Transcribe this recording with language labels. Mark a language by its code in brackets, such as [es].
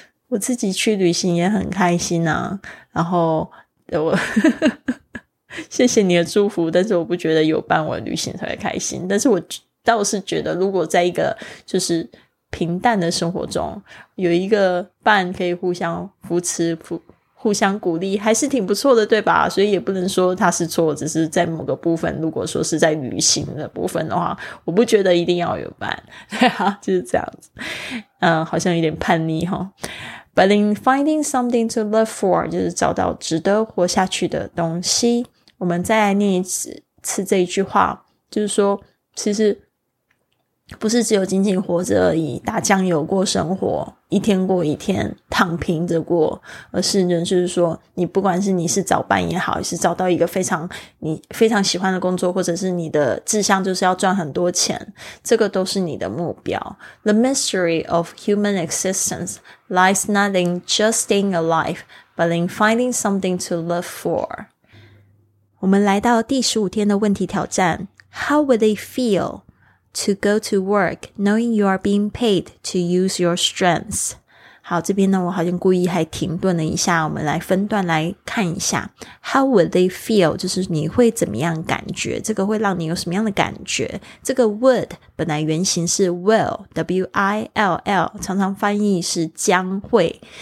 [zh] 我自己去旅行也很开心啊，然后我谢谢你的祝福，但是我不觉得有伴我旅行特别开心，但是我倒是觉得如果在一个就是平淡的生活中有一个伴可以互相扶持互相鼓励还是挺不错的，对吧？所以也不能说他是错，只是在某个部分如果说是在旅行的部分的话，我不觉得一定要有伴，对啊，就是这样子。好像有点叛逆齁。 [en] But in finding something to live for, [zh] 就是找到值得活下去的东西。我们再来念一次这一句话，就是说其实不是只有仅仅活着而已，打酱油过生活，一天过一天，躺平着过，而是就是说你不管是你是找伴也好，是找到一个非常你非常喜欢的工作，或者是你的志向就是要赚很多钱，这个都是你的目标。 [en] The mystery of human existence lies not in just staying alive, but in finding something to live for. [zh] 我们来到第15天的问题挑战， [en] How would they feel? To go to work, knowing you are being paid to use your strengths. [zh] 好，这边呢，我好像故意还停顿了一下，我们来分段来看一下。 [en] How would they feel? [zh] 就是你会怎么样感觉？这个会让你有什么样的感觉？这个 would 本来原型是 will, W-I-L-L, 常常翻译是将会。